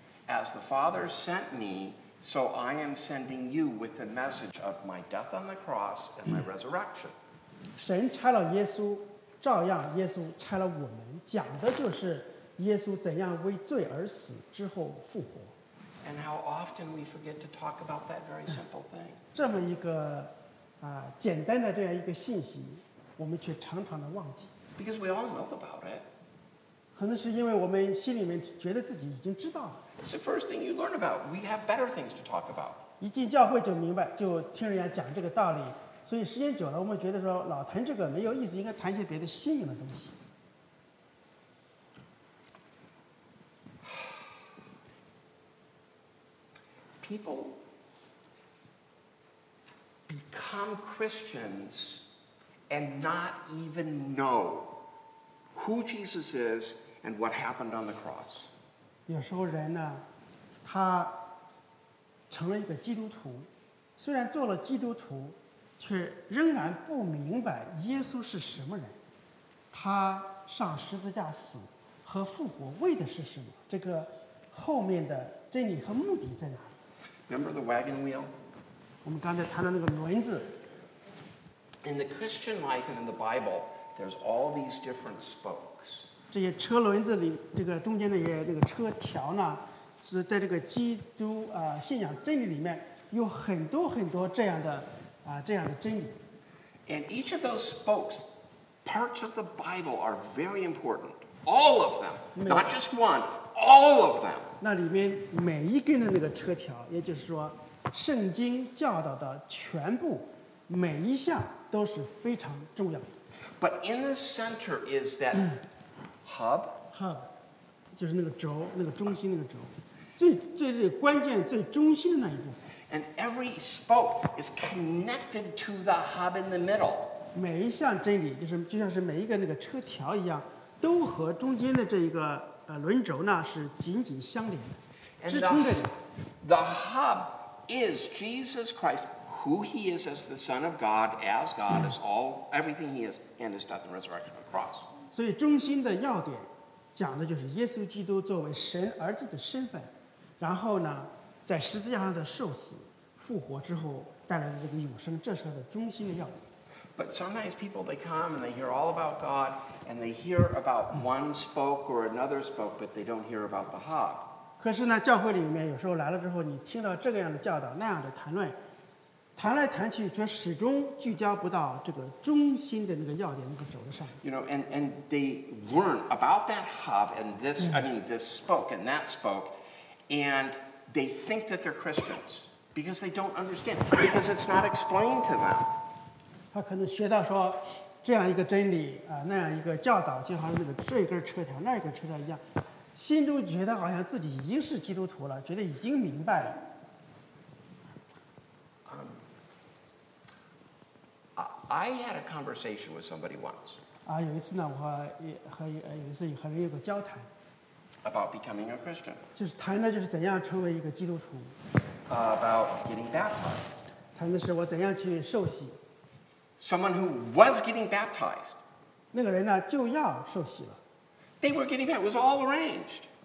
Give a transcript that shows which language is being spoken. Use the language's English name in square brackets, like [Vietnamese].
[English] As the Father sent me, so I am sending you with the message of my death on the cross and my resurrection. [Chinese] 神差了耶稣，照样耶稣差了我们，讲的就是耶稣怎样为罪而死之后复活。 [English] And how often we forget to talk about that very simple thing. [Chinese] 这么一个啊简单的这样一个信息，我们却常常的忘记。 [English] Because we all know about it. [Chinese] 可能是因为我们心里面觉得自己已经知道了。 [English] It's the first thing you learn about. We have better things to talk about. [Chinese] 一进教会就明白，就听人家讲这个道理，所以时间久了，我们觉得说老谈这个没有意思，应该谈一些别的新颖的东西。 [English] People become Christians and not even know who Jesus is and what happened on the cross. [Chinese] 有时候人呢，他成了一个基督徒，虽然做了基督徒，却仍然不明白耶稣是什么人，他上十字架死和复活为的是什么，这个后面的真理和目的在哪里。 [English] Remember the wagon wheel? [Chinese] 我们刚才谈到那个轮子。 [English] In the Christian life and in the Bible, there's all these different spokes. [Chinese] 这些车轮子里，这个中间的这个车条呢，是在这个基督啊信仰真理里面有很多很多这样的啊这样的真理。 [English] And each of those spokes, parts of the Bible are very important. All of them, not just one, all of them. [Chinese] 那里面每一根的那个车条，也就是说，圣经教导的全部每一项都是非常重要的。 [English] But in the center is that hub. [Chinese] Hub, 就是那个轴，那个中心那个轴，最关键、最中心的那一部分。 [English] And every spoke is connected to the hub in the middle. [Chinese] 每一项真理，就是就像是每一个那个车条一样，都和中间的这一个。轮轴呢是紧紧相连的，支撑着你。 [English] The hub is Jesus Christ, who He is as the Son of God, as God, as all everything He is, and His death and resurrection on the cross. [Chinese] 所以中心的要点讲的就是耶稣基督作为神儿子的身份，然后呢，在十字架上的受死、复活之后带来的这个永生，这是他的中心的要点。 [English] But sometimes people, they come and they hear all about God and they hear about one spoke or another spoke, but they don't hear about the hub. [Chinese] 可是呢，教会里面有时候来了之后，你听到这个样的教导，那样的谈论，谈来谈去却始终聚焦不到这个中心的那个要点，那个轴子上。 [English] You know, and they learn about that hub and this, I mean, this spoke and that spoke, and they think that they're Christians because they don't understand, because it's not explained to them. [Chinese] 他可能学到说这样一个真理、那样一个教导，就好像那个这一根车条那一根车条一样，心中觉得好像自己已经是基督徒了，觉得已经明白了。 [English] I had a conversation with somebody once. [Chinese] 有一次呢，我和有一次和人有个交谈。 [English] About becoming a Christian. [Chinese] 就是谈的就是怎样成为一个基督徒。 [English] About getting baptized. [Chinese] 谈的是我怎样去受洗。 [English] Someone who was getting baptized. [Chinese] 那个人呢就要受洗了。 [English] They were getting baptized. It was all arranged.